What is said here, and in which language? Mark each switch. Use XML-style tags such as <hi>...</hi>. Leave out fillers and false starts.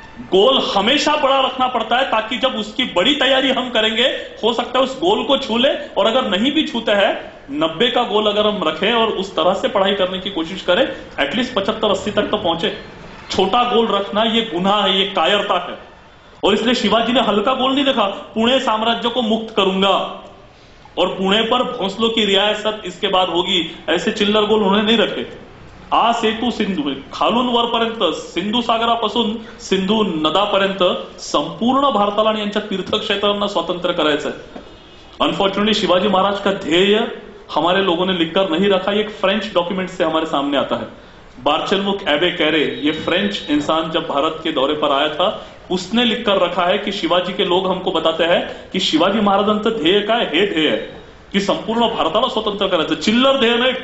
<hi>गोल हमेशा बड़ा रखना पड़ता है ताकि जब उसकी बड़ी तैयारी हम करेंगे, हो सकता है उस गोल को छू ले, और अगर नहीं भी छूते हैं, 90 का गोल अगर हम रखें और उस तरह से पढ़ाई करने की कोशिश करें, एटलीस्ट 75-80 तक तो पहुंचे। छोटा गोल रखना ये गुनाह है, ये कायरता है। और इसलिए शिवाजी ने हल्का गोल नहीं रखा, पुणे साम्राज्य को मुक्त करूंगा और पुणे पर भोंसलों की रियासत इसके बाद होगी, ऐसे चिल्लर गोल उन्होंने नहीं रखे।</hi> <mr>आ सेतु सिंधु खालून वर पर्यंत, सिंधु सागरापासून सिंधु नदा पर्यंत संपूर्ण भारताला आणि यांच्या तीर्थक्षेत्रांना स्वतंत्र करायचं आहे।</mr> <hi>अनफॉर्च्युनेटली शिवाजी महाराज का ध्येय हमारे लोगों ने लिखकर नहीं रखा, एक फ्रेंच डॉक्यूमेंट से हमारे सामने आता है। बार्चलमुख एबे कैरे, ये फ्रेंच इंसान जब भारत के दौरे पर आया था, उसने लिखकर रखा है कि शिवाजी के लोग हमको बताते हैं कि शिवाजी</hi> <mr>महाराजांचं ध्येय काय, हे ध्येय कि संपूर्ण भारताला स्वतंत्र करायचं, चिल्लर ध्येय नाही।</mr>